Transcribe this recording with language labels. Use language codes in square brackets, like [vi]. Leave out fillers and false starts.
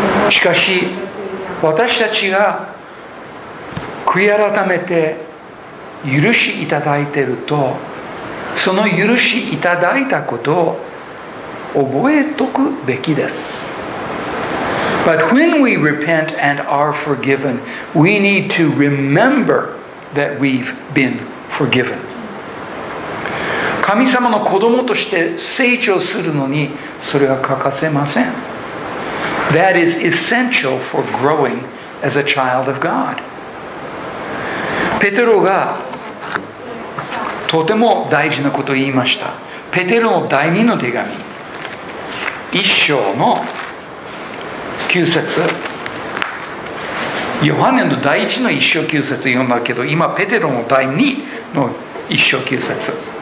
[ja] しかし私たちが悔い改めて許しいただいていると、その許しいただいたことを覚えとくべきです。 [en] But when we repent and are forgiven, we need to remember that we've been forgiven. [ja] 神様の子供として成長するのにそれは欠かせません。 [en] That is essential for growing as a child of God. [ja] ペテロがとても大事なことを言いました。ペテロの第二の手紙、一章の九節。ヨハネの第一の一章九節読んだけど、今ペテロの第二の一章九節。